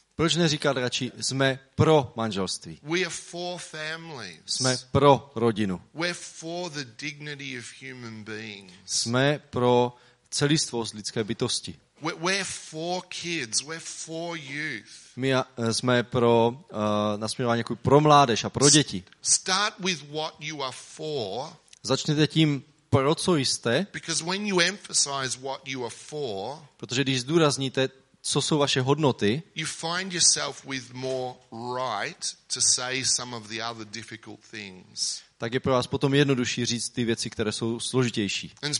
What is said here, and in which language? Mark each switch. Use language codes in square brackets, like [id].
[cs] Proč neříkat radši jsme pro manželství? [en] We are for families. [cs] Jsme pro rodinu. [en] We're for the dignity of human beings. [cs] Jsme pro celistvost lidské bytosti. [en] We're for kids, we're for youth. [cs] My jsme pro nasměrování jako pro mládež a pro děti. [en] Start with what you are for. [cs] Začněte tím, pro co jste. [en] Because when you emphasize what you are for, [cs] protože když zdůrazníte, co jsou vaše hodnoty, [en] you find yourself with more right to say some of the other difficult things. [cs] Tak je pro vás potom jednodušší říct ty věci, které jsou složitější.